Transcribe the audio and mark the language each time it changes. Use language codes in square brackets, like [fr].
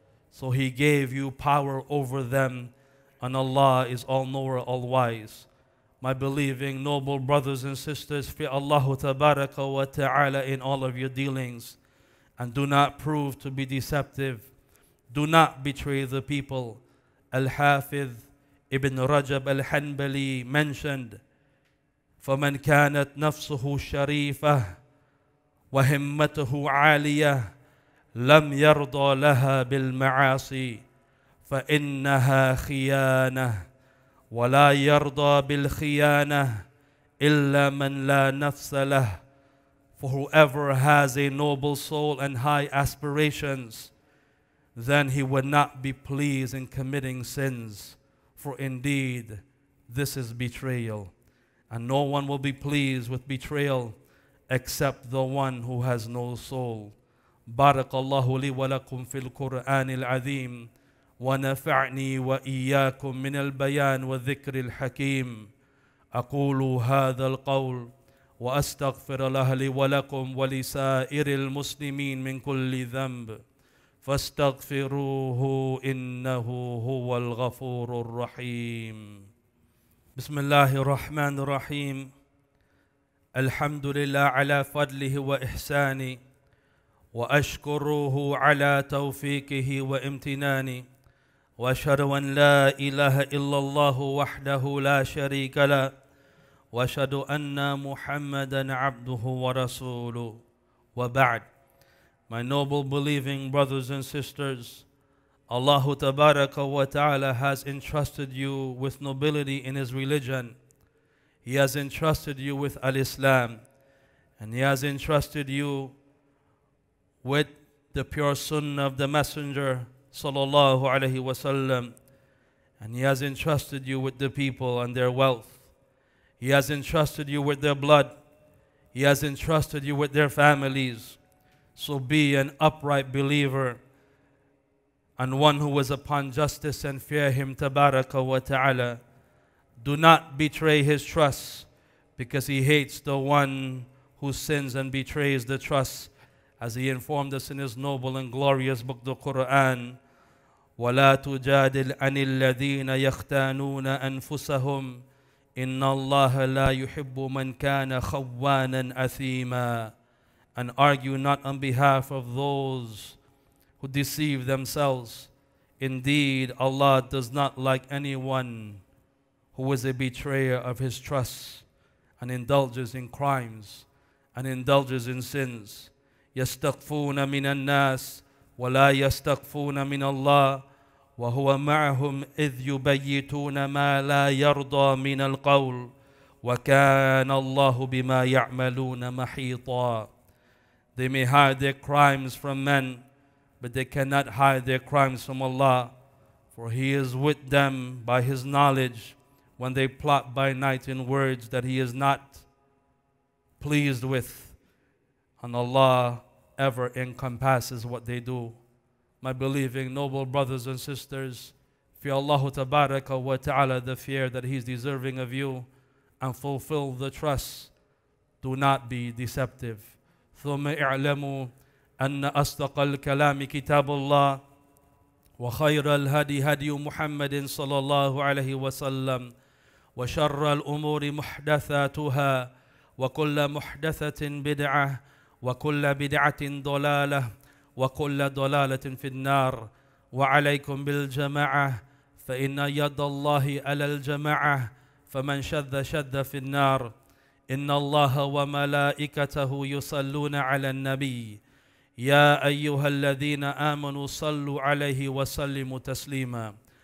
[en] So He gave you power over them, and Allah is all-knower, all-wise. My believing noble brothers and sisters, fear Allah tabaraka wa ta'ala in all of your dealings, and do not prove to be deceptive. Do not betray the people. [ar] Al-Hafidh Ibn Rajab Al-Hanbali mentioned, فَمَنْ كَانَتْ نَفْسُهُ شَرِيفَةً وَهِمَّتُهُ عَالِيَةً لَمْ يَرْضَى لَهَا بِالْمَعَاصِي فَإِنَّهَا خِيَانَةٌ. ولا يرضى بالخيانة إلا من لا نفس له. [en] For whoever has a noble soul and high aspirations, then he would not be pleased in committing sins. For indeed, this is betrayal. And no one will be pleased with betrayal except the one who has no soul. [ar] Barakallahu li wa lakum fil Qur'an al-Azim. ونفعني وإياكم من البيان والذكر الحكيم أقول هذا القول وأستغفر لأهلي ولكم ولسائر المسلمين من كل ذنب فاستغفروه إنه هو الغفور الرحيم بسم الله الرحمن الرحيم الحمد لله على فضله وإحسانه وأشكره على توفيقه وامتناني وأشهد أن لا إله إلا الله وحده لا شريك له وأشهد أن محمدًا عبده ورسوله وبعد. [en] My noble believing brothers and sisters, Allah تبارك وتعالى has entrusted you with nobility in His religion. He has entrusted you with al-Islam, and He has entrusted you with the pure Sunnah of the Messenger sallallahu alayhi wa sallam, and He has entrusted you with the people and their wealth. He has entrusted you with their blood. He has entrusted you with their families. So be an upright believer and one who is upon justice and fear Him tabaraka wa ta'ala. Do not betray His trust, because He hates the one who sins and betrays the trust, as He informed us in His noble and glorious book, the Quran. [ar] ولا تجادل عن الذين يختانون أنفسهم إن الله لا يحب من كان خوانا أثيما. [en] And argue not on behalf of those who deceive themselves. Indeed, Allah does not like anyone who is a betrayer of His trust and indulges in crimes and indulges in sins. [ar] يستقفون من الناس ولا يستقفون من الله وهو معهم إذ يبيتون ما لا يرضى من القول وكان الله بما يعملون محيطا. [en] They may hide their crimes from men, but they cannot hide their crimes from Allah, for He is with them by His knowledge when they plot by night in words that He is not pleased with, and Allah ever encompasses what they do. My believing noble brothers and sisters, fear Allah tabaraka wa ta'ala, the fear that He's deserving of you, and fulfill the trust. Do not be deceptive. [ar] ثم اعلموا أن أصدق الكلام كتاب الله وخير الهدي هدي محمد صلى الله عليه وسلم وشر الأمور محدثاتها وكل محدثة بدعة وكل بدعة ضلالة وكل ضلالة في النار وعليكم بالجماعة فإن يد الله على الجماعة فمن شذ شذ في النار إن الله وملائكته يصلون على النبي يا أيها الذين آمنوا صلوا عليه وسلموا تسليما